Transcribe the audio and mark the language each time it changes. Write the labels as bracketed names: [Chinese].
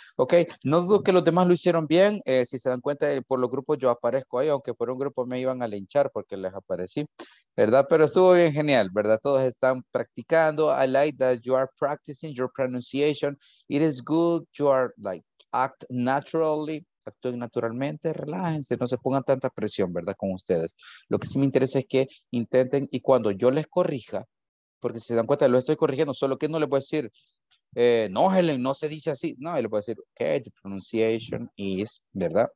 [Spanish] Ok, no dudo que los demás lo hicieron bien. Si se dan cuenta, por los grupos yo aparezco ahí, aunque por un grupo me iban a linchar porque les aparecí, ¿verdad? Pero estuvo bien genial, ¿verdad? Todos están practicando. [English] I like that you are practicing your pronunciation. It is good you are like act naturally. [Spanish] Actúen naturalmente, relájense, no se pongan tanta presión, ¿verdad? Con ustedes. Lo que sí me interesa es que intenten y cuando yo les corrija, porque si se dan cuenta, lo estoy corrigiendo, solo que no les voy a decir, no, Helen, no se dice así. No, les voy a decir, [English] ok, the pronunciation is, [Spanish] ¿verdad?